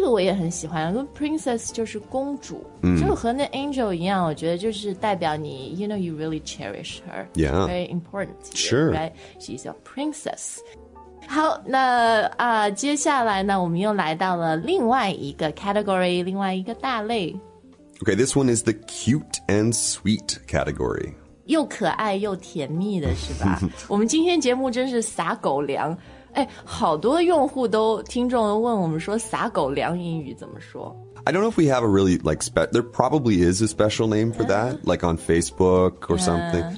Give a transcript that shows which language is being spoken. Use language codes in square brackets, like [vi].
[zh] 个我也很喜欢 Princess 就是公主。这个和那 angel 一样我觉得就是代表你 [en] You know, you really cherish her. Yeah. Very important to you, sure. Right? She's your princess. [zh] 好那、接下来呢我们又来到了另外一个 category, 另外一个大类。 [en] Okay, this one is the cute and sweet category. [zh] 又可爱又甜蜜的是吧我们今天节目真是撒狗粮。哎好多用户都听众都问我们说撒狗粮英语怎么说。 [en] I don't know if we have a really, like, there probably is a special name for that, like on Facebook or something.